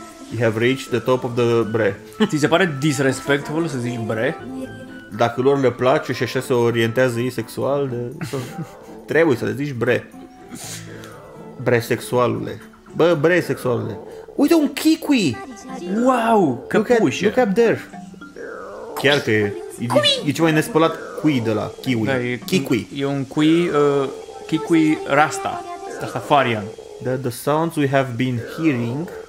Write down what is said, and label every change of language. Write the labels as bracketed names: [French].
[English] You have reached the top of the bre. [Romanian] Ți se pare disrespectful să zici bre? Dacă lor le place și așa se orientează ei sexual, de... trebuie să le zici bre. Bre sexualule. Bă, bre sexualule. Uite un kiwi. Wow, căpușă. [English] Look up there. [Romanian] Chiar că e ceva nespălat kiwi de la kiwi. Da, kiwi. E un kiwi, kiwi rasta. Rastafarian. [English] The sounds we have been hearing.